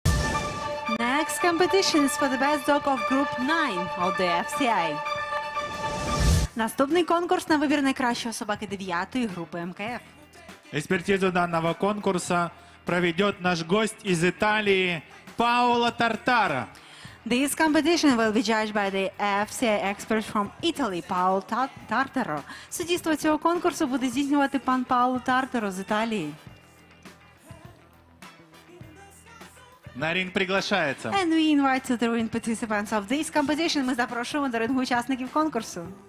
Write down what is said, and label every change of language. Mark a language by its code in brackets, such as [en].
[en] This competition is for the best dog of group 9 of the FCI. [uk] Наступний конкурс на вибір найкращої собаки 9-ї групи МКФ. Експертизу даного конкурсу проведе наш гость із Італії Паоло Тартара. [en] This competition will be judged by the FCI expert from Italy, Paolo Tartaro. [uk] Судійство цього конкурсу буде здійснювати пан Паоло Тартаро з Італії. На ринг приглашається. [en] And we invite the ring participants of this competition. [uk] Ми запрошуємо до рингу учасників конкурсу.